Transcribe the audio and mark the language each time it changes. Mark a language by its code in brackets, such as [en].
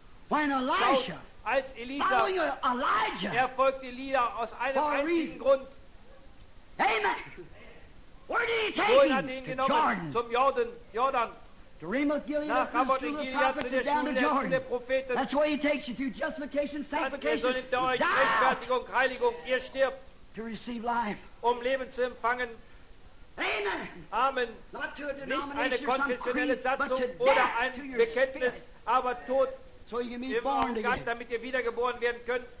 [de] Schaut, als Elisa, er folgte Elia aus einem einzigen Grund. Amen. Wohin hat ihn genommen? Zum Jordan. Jordan. Nach Ramoth in Gilead zu der Schule der Schule der Propheten. [en] That's where he takes you to justification, sanctification. [de] Dann er soll euch Rechtfertigung, Heiligung. Ihr stirbt. [en] To receive life. [de] Um Leben zu empfangen. Amen. Amen. Nicht eine konfessionelle Satzung oder ein Bekenntnis, aber Tod. [en] So you can be born again. [de] Damit ihr wiedergeboren werden könnt.